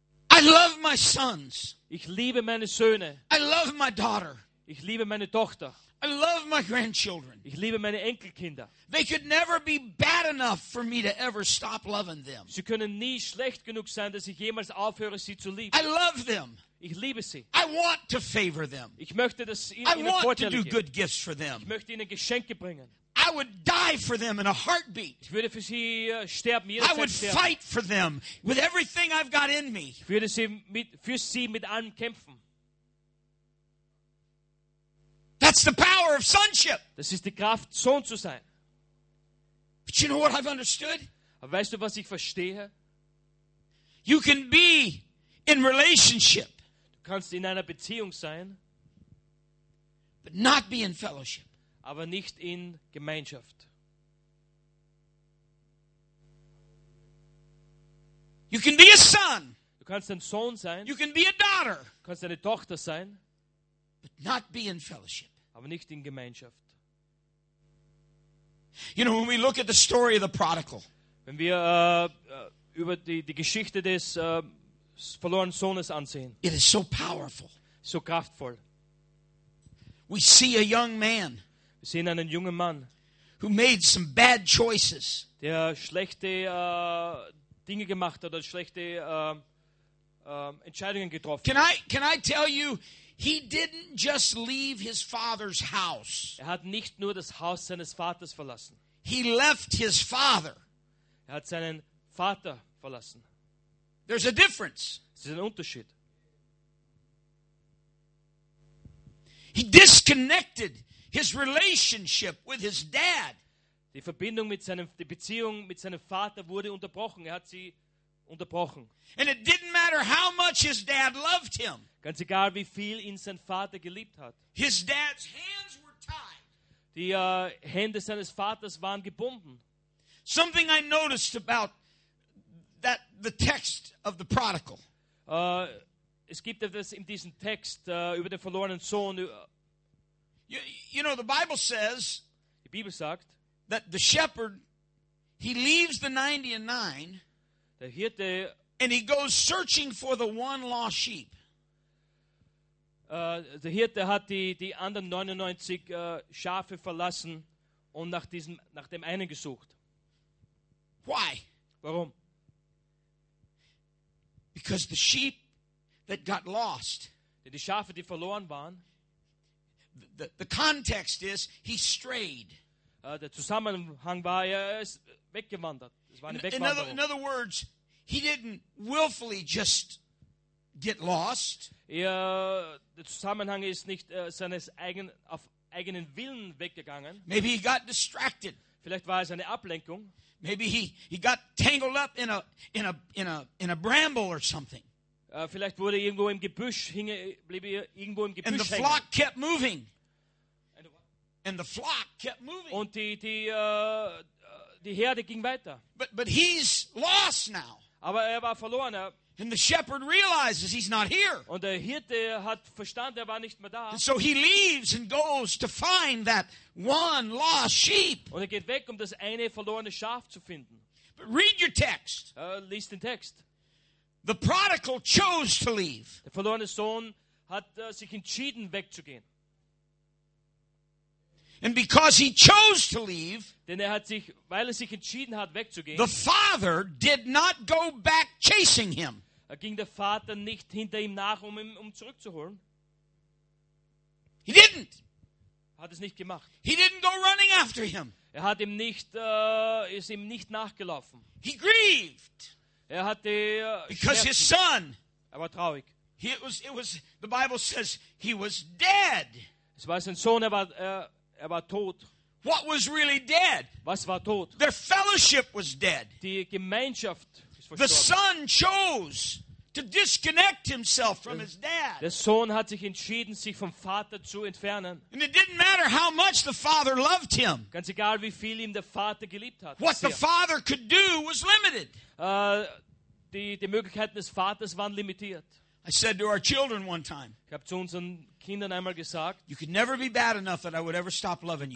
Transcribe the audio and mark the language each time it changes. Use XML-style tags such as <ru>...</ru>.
<en>I love my sons.</en> <de>Ich liebe meine Söhne.</de> <en>I love my daughter.</en> <de>Ich liebe meine Tochter.</de> <en>I love my grandchildren.</en> <de>Ich liebe meine Enkelkinder.</de> <en>They could never be bad enough for me to ever stop loving them.</en> <de>Sie können nie schlecht genug sein, dass ich jemals aufhöre, sie zu lieben.</de> <en>I love them.</en> <de>Ich liebe sie.</de> <en>I want to favor them.</en> <de>Ich möchte, dass ihnen</de> <en>I want to do good gifts for them.</en> <de>Ich möchte ihnen Geschenke bringen.</de> <en>I would die for them in a heartbeat.</en> <de>Ich würde für sie sterben, jederzeit.</de> <en>I would fight for them with everything I've got in me.</en> <de>Ich würde für sie mit allem kämpfen.</de> <en>That's the power of sonship.</en> <de>Das ist die Kraft, Sohn zu sein.</de> <en>But you know what I've understood?</en> <de>Aber weißt du, was ich verstehe?</de> <en>You can be in relationship.</en> <de>Du kannst in einer Beziehung sein.</de> <en>But not be in fellowship.</en> <de>Aber nicht in Gemeinschaft.</de> <en>You can be a son.</en> <de>Du kannst ein Sohn sein.</de> <en>You can be a daughter.</en> <de>Du kannst eine Tochter sein.</de> <en>But not be in fellowship.</en> <de>Aber nicht in Gemeinschaft.</de> <en>You know, when we look at the story of the prodigal,</en> <de>wenn wir über die Geschichte des verlorenen Sohnes ansehen,</de> <en>it is so powerful,</en> <de>so kraftvoll.</de> <en>We see a young man,</en> <de>wir sehen einen jungen Mann,</de> <en>who made some bad choices,</en> <de>der schlechte Dinge gemacht hat, schlechte Entscheidungen getroffen.</de> <en>Can I tell you? He didn't just leave his father's house.</en> <de>Er hat nicht nur das Haus seines Vaters verlassen.</de> <en>He left his father.</en> <de>Er hat seinen Vater verlassen.</de> <en>There's a difference.</en> <de>Es ist ein Unterschied.</de> <en>He disconnected his relationship with his dad.</en> <de>Die Beziehung mit seinem Vater wurde unterbrochen. Er hat sie unterbrochen.</de> <en>And it didn't matter how much his dad loved him.</en> <de>Ganz egal, wie viel ihn sein Vater geliebt hat.</de> <en>His dad's hands were tied.</en> <de>Die Hände seines Vaters waren gebunden.</de> <en>Something I noticed about that the text of the prodigal.</en> <de>Es gibt etwas in diesem Text über den verlorenen Sohn.</de> <en>You know, the Bible says.</en> <de>Die Bibel sagt,</de> <en>that the shepherd, he leaves the 99.</en> <de>Der Hirte,</de> <en>and he goes searching for the one lost sheep.</en> <de>Der Hirte hat die anderen 99 Schafe verlassen und nach dem einen gesucht.</de> <en>Why?</en> <de>Warum?</de> <en>Because the sheep that got lost.</en> <de>Die Schafe, die verloren waren.</de> <en>The context is he strayed.</en> <de>Der Zusammenhang war, er ist weggewandert. Es war eine Wegwanderung.</de> <en>In other words, he didn't willfully just get lost.</en> <de>Ja, der Zusammenhang ist nicht auf eigenen Willen weggegangen.</de> <en>Maybe he got distracted.</en> <de>Vielleicht war es eine Ablenkung.</de> <en>Maybe he got tangled up in a bramble or something.</en> <de>Vielleicht wurde irgendwo im Gebüsch blieb irgendwo im Gebüsch hängen.</de> <en>And the flock kept moving. And the flock kept moving.</en> <de>Und die Herde ging weiter.</de> <en>But he's lost now.</en> <de>Aber er war verloren.</de> <en>And the shepherd realizes he's not here.</en> <de>Und der Hirte hat verstanden, er war nicht mehr da.</de> <en>And so he leaves and goes to find that one lost sheep.</en> <de>Und er geht weg, um das eine verlorene Schaf zu finden.</de> <en>But read your text.</en> <de>Lies den Text.</de> <en>The prodigal chose to leave.</en> <de>Der verlorene Sohn hat sich entschieden, wegzugehen.</de> <en>And because he chose to leave,</en> <de>denn er hat sich, weil er sich entschieden hat, wegzugehen,</de> <en>the father did not go back chasing him.</en> <de>Er ging der Vater nicht hinter ihm nach, um zurückzuholen.</de> <en>He didn't.</en> <de>Hat es nicht gemacht.</de> <en>He didn't go running after him.</en> <de>Er hat ihm nicht, ist ihm nicht nachgelaufen.</de> <en>He grieved.</en> <de>Er hatte</de> <en>because</en> <de>Schmerzen.</de> <en>His son.</en> <de>Er war traurig.</de> <en>It was. The Bible says he was dead.</en> <de>Es war sein Sohn. Er war tot.</de> <en>What was really dead?</en> <de>Was war tot?</de> <en>Their fellowship was dead.</en> <de>Die Gemeinschaft ist verstorben.</de> <en>The son chose to disconnect himself from his dad.</en> <de>Der Sohn hat sich entschieden, sich vom Vater zu entfernen.</de> <en>And it didn't matter how much the father loved him.</en> <de>Ganz egal, wie viel ihm der Vater geliebt hat.</de> <en>What the father could do was limited.</en> <de>Die Möglichkeiten des Vaters waren limitiert.</de> <en>I said to our children one time,</en> <de>ich habe zu unseren Kindern einmal gesagt,</de> <en>you could never be bad enough that I would ever stop loving you.</en>